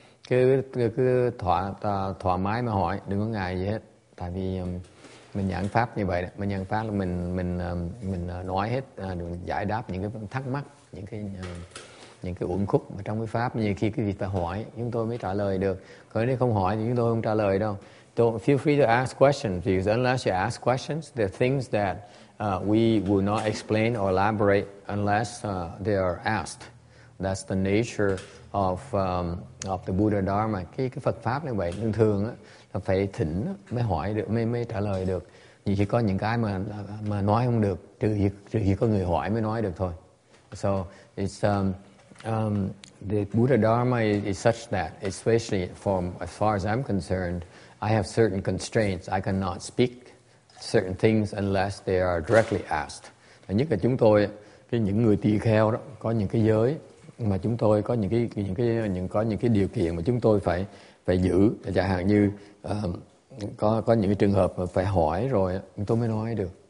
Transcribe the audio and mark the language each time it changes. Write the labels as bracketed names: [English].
[Vietnamese] Cứ thoải mái mà hỏi, đừng có ngại gì hết. Tại vì mình giảng pháp như vậy, mình giảng pháp là mình nói hết, giải đáp những cái thắc mắc, những cái uẩn khúc trong cái pháp. Như khi cái vị ta hỏi, chúng tôi mới trả lời được. Còn nếu không hỏi thì chúng tôi không trả lời đâu. [English] So feel free to ask questions, because unless you ask questions, there are things that we will not explain or elaborate unless they are asked. That's the nature of the Buddha Dharma. [Vietnamese] Cái Phật pháp như vậy, thường thường á, là phải thỉnh mới hỏi được, mới trả lời được. Vì chỉ có những cái mà nói không được, trừ khi có người hỏi mới nói được thôi. [English] So it's the Buddha Dharma is such that, especially from as far as I'm concerned, I have certain constraints. I cannot speak certain things unless they are directly asked. [Vietnamese] Và nhất là chúng tôi, cái những người tỳ kheo đó, có những cái giới mà chúng tôi có những cái điều kiện mà chúng tôi phải giữ, chẳng hạn như có những cái trường hợp mà phải hỏi rồi tôi mới nói được.